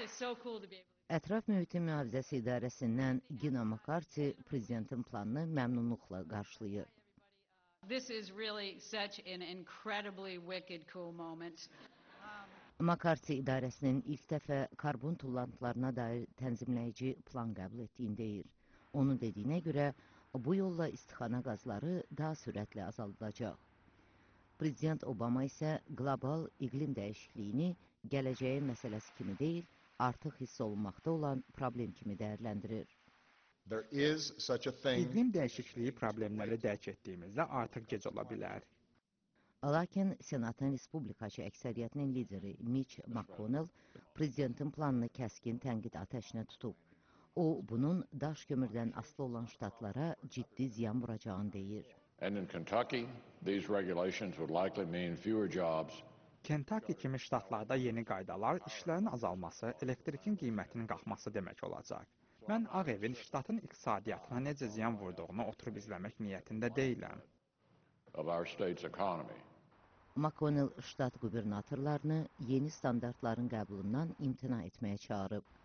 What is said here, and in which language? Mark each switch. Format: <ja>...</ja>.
<az>Ətraf mühitin mühafizəsi idarəsindən Gina McCarthy prezidentin planını məmnunluqla qarşılayır.</az> <en>This is really such an incredibly wicked cool moment.</en> <az>McCarthy idarəsinin ilk dəfə karbon tullantılarına dair tənzimləyici plan qəbul etdiyini deyir. Onun dediyinə görə, bu yolla istixana qazları daha sürətli azaldılacaq. Prezident Obama isə qlobal iqlim dəyişikliyini gələcəyin məsələsi kimi deyil, artıq hiss olunmaqda olan problem kimi dəyərləndirir.</az> <en>There is such a thing.</en> <az>İqlim dəyişikliyi problemləri dərk etdiyimizdə artıq gec ola bilər. Lakin Senatın Respublikaçı əksəriyyətinin lideri Mitch McConnell prezidentin planını kəskin tənqid atəşinə tutub. O, bunun daş kömürdən asılı olan ştatlara ciddi ziyan vuracağını deyir.</az> <en>And in Kentucky, these regulations would likely mean fewer jobs.</en> <az>Kentucky kimi ştatlarda yeni qaydalar işlərin azalması, elektrikin qiymətinin qalxması demək olacaq. Mən Ağ Evin ştatın iqtisadiyyatına necə ziyan vurduğunu oturub izləmək niyyətində deyiləm.</az> <en>Of our state's economy.</en> <az>McConnell ştat qubernatorlarını yeni standartların qəbulundan imtina etməyə çağırıb.</az>